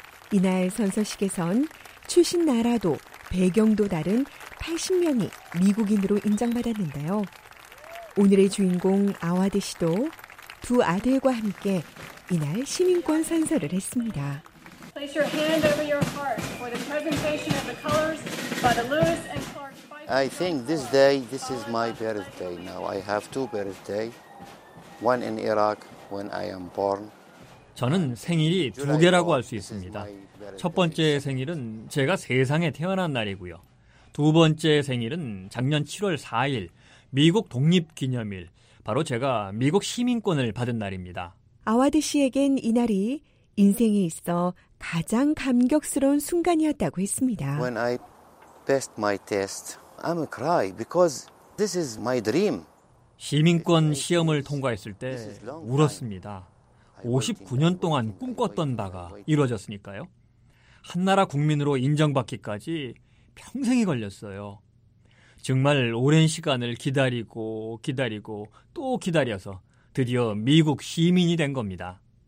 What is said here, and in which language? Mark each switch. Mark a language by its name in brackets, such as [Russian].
[Korean] 이날 선서식에선 출신 나라도 배경도 다른 80명이 미국인으로 인정받았는데요. 오늘의 주인공 아와드 씨도 두 아들과 함께 이날 시민권 선서를 했습니다. [English] Place your hand over your heart for the presentation of the colors by the Lewis and Clark. I think this day, this is my birthday now. I have two birthday. One in Iraq when I am born. [Korean] 저는 생일이 두 개라고 할 수 있습니다. 첫 번째 생일은 제가 세상에 태어난 날이고요. 두 번째 생일은 작년 7월 4일 미국 독립기념일, 바로 제가 미국 시민권을 받은 날입니다. 아와드 씨에겐 이날이 인생에 있어 가장 감격스러운 순간이었다고 했습니다. [English] When I passed my test, I'm cry because this is my dream. [Korean] 시민권 시험을 통과했을 때 울었습니다. 59년 동안 꿈꿨던 바가 이루어졌으니까요. 한 나라 국민으로 인정받기까지 평생이 걸렸어요. 정말 오랜 시간을 기다리고 기다리고 또 기다려서 드디어 미국 시민이 된 겁니다.